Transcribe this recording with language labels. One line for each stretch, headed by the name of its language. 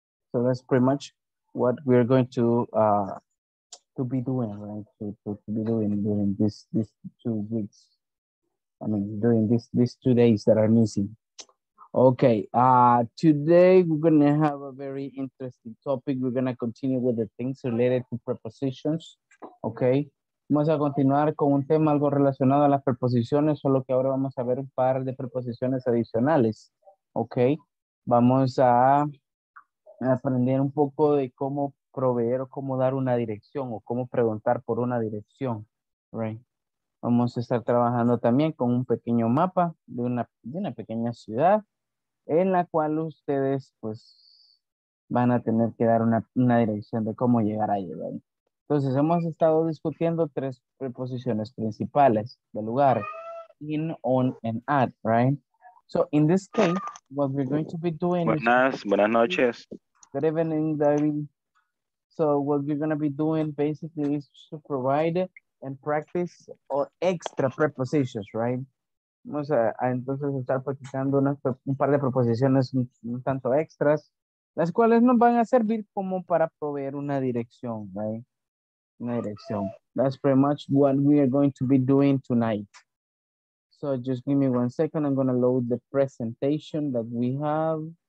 English: So that's pretty much what we're going to be doing, right? To be doing during this 2 weeks. I mean, during these 2 days that are missing. Okay, today we're gonna have a very interesting topic. We're gonna continue with the things related to prepositions.
Spanish: Okay, vamos a continuar con un tema algo relacionado a las preposiciones, solo que ahora vamos a ver un par de preposiciones adicionales. Okay, vamos a aprender un poco de cómo proveer o cómo dar una dirección o cómo preguntar por una dirección, right? Vamos a estar trabajando también con un pequeño mapa de una pequeña ciudad en la cual ustedes pues van a tener que dar una dirección de cómo llegar allí, right? Entonces hemos estado discutiendo tres preposiciones principales de lugar: in, on, and at, right?
English: So in this case, what we're going to be doing is
Spanish: Buenas, buenas noches.
English: good evening, David. So what we're going to be doing basically is to provide and practice or extra prepositions, right?
Spanish: Vamos a entonces estar practicando un par de preposiciones un tanto extras, las cuales nos van a servir como para proveer una dirección, right? Una dirección.
English: That's pretty much what we are going to be doing tonight. So just give me 1 second. I'm going to load the presentation that we have.